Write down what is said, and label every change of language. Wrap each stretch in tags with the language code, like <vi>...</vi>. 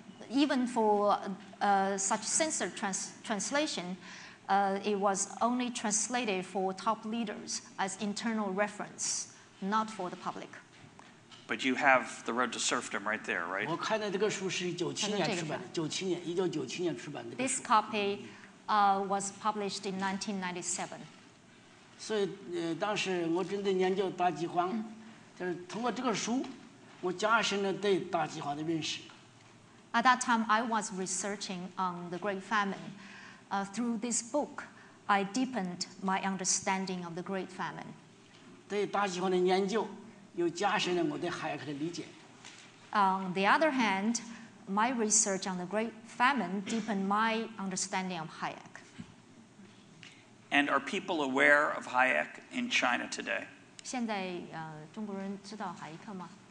<en>Even for such censored translation, it was only translated for top leaders as internal reference, not for the public. But you have The Road to Serfdom right there, right?</en> <zh>我看到这个书是1997年出版的。1997年出版的。</zh> <en>This copy was published in 1997.</en> <zh>所以当时我真的研究大饥荒，就是通过这个书，我加深了对大饥荒的认识。</zh> <en>At that time, I was researching on the Great Famine. Through this book, I deepened my understanding of the Great Famine.</en> <zh>对大饥荒的研究。</zh> <en>The other hand, my research on the Great Famine deepened my understanding of Hayek. And are people aware of Hayek in China today?</en> <zh>现在, 中国人知道海耶克吗?</zh>